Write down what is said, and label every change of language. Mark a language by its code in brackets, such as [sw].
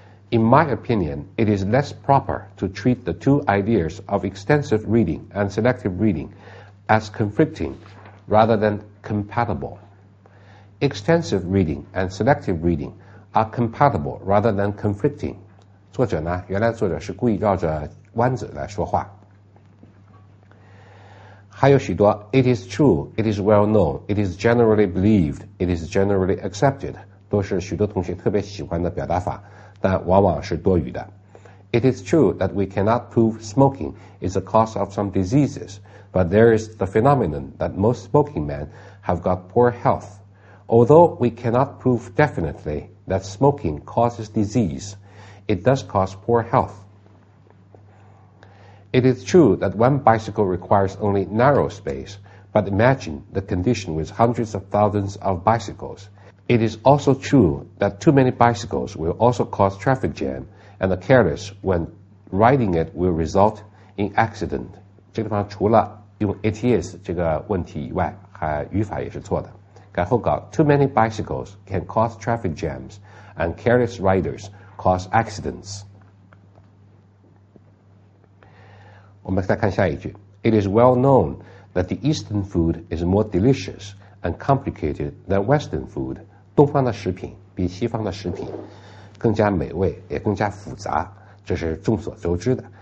[en] In my opinion, it is less proper to treat the two ideas of extensive reading and selective reading as conflicting rather than compatible. Extensive reading and selective reading are compatible rather than conflicting. [zh] 作者呢，原来作者是故意绕着弯子来说话。还有许多 ， [en] it is true, it is well known, it is generally believed, it is generally accepted， [zh] 都是许多同学特别喜欢的表达法，但往往是多余的。 [en] It is true that we cannot prove smoking is a cause of some diseases, but there is the phenomenon that most smoking men have got poor health. Although we cannot prove definitely that smoking causes disease, it does cause poor health. It is true that one bicycle requires only narrow space, but imagine the condition with hundreds of thousands of bicycles. It is also true that too many bicycles will also cause traffic jam, and the careless when riding it will result in accident. [zh] 这个地方除了用 it is 这个问题以外，语法也是错的。然后搞 [en] too many bicycles can cause traffic jams and careless riders cause accidents. [zh] 我们再看下一句 [en] It is well known that the Eastern food is more delicious and complicated than Western food, [zh] 东方的食品比西方的食品更加美味，也更加复杂，这是众所周知的。